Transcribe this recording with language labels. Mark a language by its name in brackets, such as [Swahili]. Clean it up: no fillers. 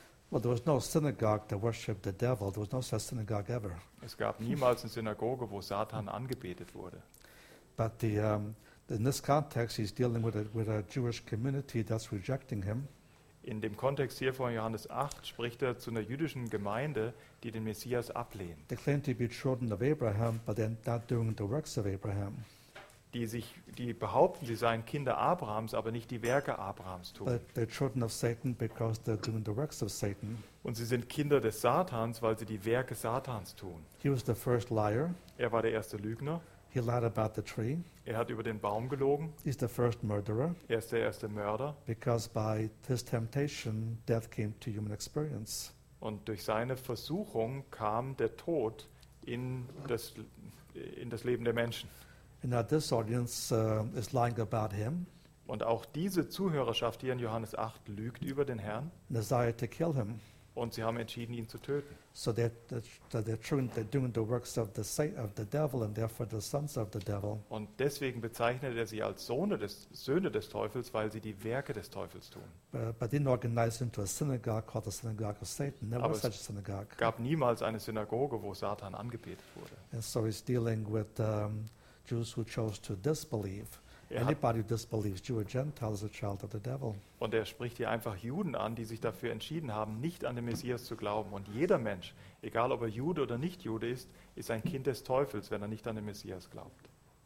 [English] Well, there was no synagogue that worshipped the devil. There was no such synagogue ever. [German] Es gab niemals eine Synagoge, wo Satan angebetet wurde. [English] But the, in this context, he's dealing with a Jewish community that's rejecting him. [German] In dem Kontext hier von Johannes 8 spricht er zu einer jüdischen Gemeinde, die den Messias ablehnt. [English] They claim to be children of Abraham, but they're not doing the works of Abraham. [German] Die behaupten, sie seien Kinder Abrahams, aber nicht die Werke Abrahams tun. [English] But they're children of Satan because they're doing the works of Satan. [German] Und sie sind Kinder des Satans, weil sie die Werke Satans tun. [English] He was the first liar. [German] Er war der erste Lügner. [English] He lied about the tree. [German] Er hat über den Baum gelogen. [English] He's the first murderer. [German] Er ist der erste Mörder. [English] Because by his temptation, death came to human experience. [German] Und durch seine Versuchung kam der Tod in das Leben der Menschen. [English] And now this audience is lying about him. [German] Und auch diese Zuhörerschaft hier in Johannes 8 lügt über den Herrn. [English] Desire to kill him. [German] Und sie haben entschieden, ihn zu töten. [English] So they're doing the works of the devil and therefore the sons of the devil. [German] Und deswegen bezeichnet er sie als Söhne des Teufels, weil sie die Werke des Teufels tun. [English] But they organized into a synagogue called the synagogue of Satan. Never [German] Aber [English] such a synagogue. [German] Es gab niemals eine Synagoge, wo Satan angebetet wurde. [English] And so he's dealing with Jews who chose to disbelieve. Anybody who disbelieves, Jew or Gentile, is a child of the devil. [German] Und er spricht hier einfach Juden an, die sich dafür entschieden haben, nicht an den Messias zu glauben. Und jeder Mensch, egal ob er Jude oder nicht Jude ist, ist ein Kind des Teufels, wenn er nicht an den Messias glaubt.